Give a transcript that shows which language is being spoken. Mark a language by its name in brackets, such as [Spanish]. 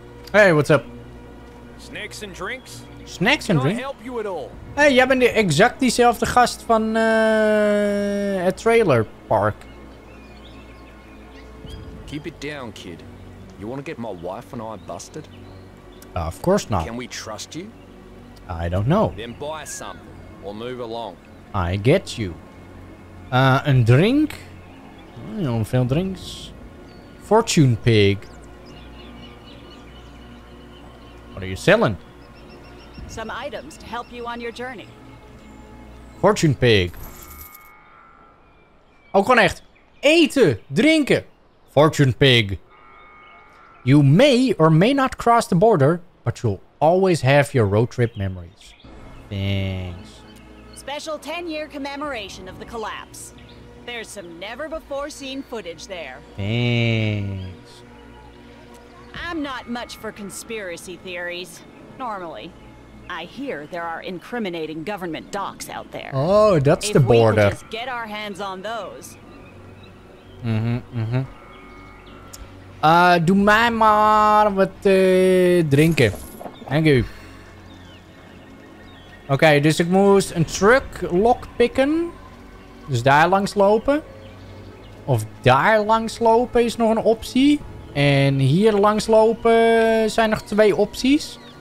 [English] Hey, what's up? Snacks and drinks? Snacks and drinks? Can I help you at all? [Dutch] Hey, jij bent exact diezelfde gast van het trailer park. [English] Keep it down, kid. You want to get my wife and I busted? Of course not. Can we trust you? I don't know. Then buy something or move along. I get you. [Dutch] Een drink? Oh, veel drinks. Fortune pig. [English] What are you selling? Some items to help you on your journey. Fortune pig. [Dutch] Ook gewoon echt. Eten, drinken. Fortune pig. [English] You may or may not cross the border, but you'll always have your road trip memories. Thanks. Special 10-year commemoration of the collapse. There's some never before seen footage there. Thanks. I'm not much for conspiracy theories, normally. I hear there are incriminating government docs out there. Oh, that's the border. If we could just get our hands on those. [Dutch] Doe mij maar wat drinken. [English] Thank you. [Dutch] Okay, dus ik moest een truck lockpicken. Dus daar langs lopen. Of daar langs lopen is nog een optie. En hier langs lopen zijn nog twee opties.